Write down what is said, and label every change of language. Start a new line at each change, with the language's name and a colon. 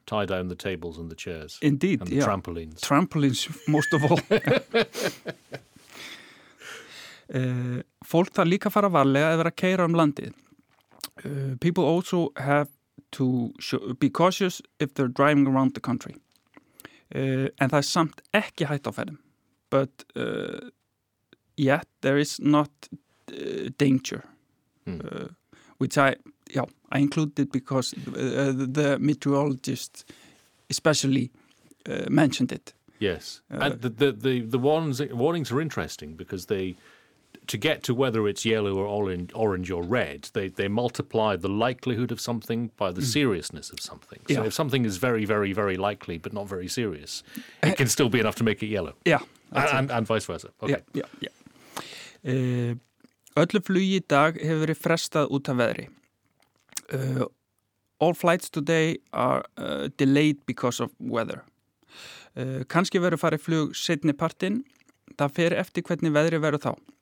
English: Tie down the tables and the chairs. Indeed, and the trampolines. Trampolines, most of all.
Icelandic: Fólk þarf líka að fara varlega ef það að keyra landið.
English: People also have to be cautious if they're driving around the country.
Icelandic: And það samt ekki hætt á ferðum.
English: But yet there is not danger. Which I included because the meteorologist especially mentioned it. Yes. And the warnings, are interesting because they to get to whether it's yellow or orange or red, they multiply the likelihood of something by the seriousness of something. So if something is very, very, very likely but not very serious, it can still be enough to make it yellow. Yeah. And vice versa. Okay.
Icelandic: Öllu flugi í dag hefur verið frestað út af veðri.
English: All flights today are delayed because of weather.
Icelandic: Kannski verður farið flug seinni partinn. Það fer eftir hvernig veðri verður þá.